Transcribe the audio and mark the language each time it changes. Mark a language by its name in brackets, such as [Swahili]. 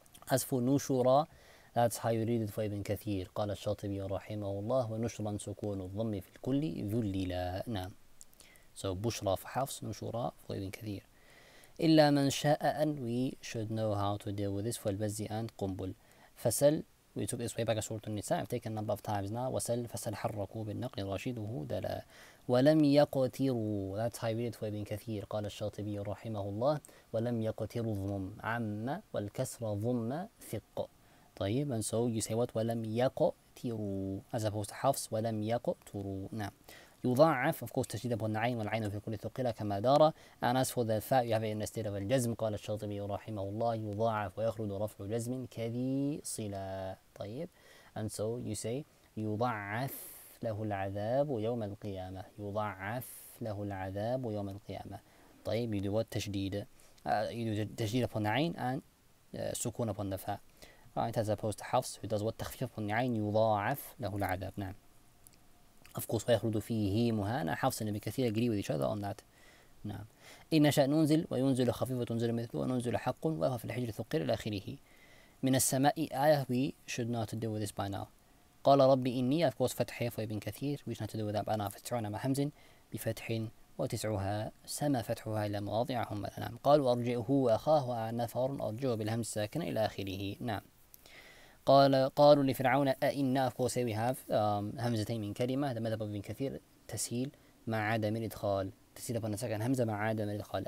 [English] As for Nushura, that's how you read it for Ibn Kathir. [Arabic] قال الشاطبي رحمه الله ونشرا سكون الضم في الكل ذللا. [English] نعم. So بشرى for Hafs, Nushura for Ibn Kathir. [Arabic] إلا من شاء أن, [English] we should know how to deal with this for البزي and قنبل. فسل, we took this way back at Surah An-Nisa, I've taken a number of times now. [Arabic] وسل فسل حركوا بالنقل رشيده دلا. ولم يقتروا, [English] that's how you read it for Ibn Kathir. [Arabic] قال الشاطبي رحمه الله ولم يقتروا ضم عم والكسر ضم ثق. [English] طيب. And so you say what? [Arabic] ولم يقتروا, [English] as opposed to Hafs, [Arabic] ولم يقتروا. نعم. يضعف, [English] of course, [Arabic] تشديد upon العين والعين في كل ثقلة كما دار. [English] And as for the fa, you have it in the state of الجزم. [Arabic] قال الشاطبي رحمه الله يضعف ويخرج رفع جزم كذي صلا. طيب. [English] And so you say [Arabic] يضعف له العذاب يوم القيامة, يضعف له العذاب يوم القيامة. [English] طيب. You do what? تشديد. You do تشديد upon the عين and سكون upon the fa. Right, as opposed to Hafs, who does what? [Arabic] تخفيف [English] upon the [Arabic] عين, يضاعف له العذاب. نعم. [English] Of course, [Arabic] ويخلد فيه مهانة. [English] Hafs and Ibn Kathir agree with each other on that. [Arabic] نعم. إن شاء ننزل وينزل خفيف وتنزل مثل وننزل حق وهو في الحجر الثقيل إلى آخره. من السماء آية. [English] We should not deal with this by now. [Arabic] قال ربي إني, [English] of course, فتح for Ibn Kathir. We should not do with that by now. [Arabic] فتحنا مع حمز بفتح وتسعها سما فتحها إلى مواضعهم. نعم. قال وأرجئه أخاه نفر أرجئه بالهمز ساكن إلى آخره. نعم. قالوا لفرعون أئنا, [English] of course, here we have [Arabic] همزتين من كلمة. [English] The method of Ibn Kathir, [Arabic] تسهيل مع عدم الإدخال. تسهيل [English] upon the second [Arabic] همزة مع عدم الإدخال.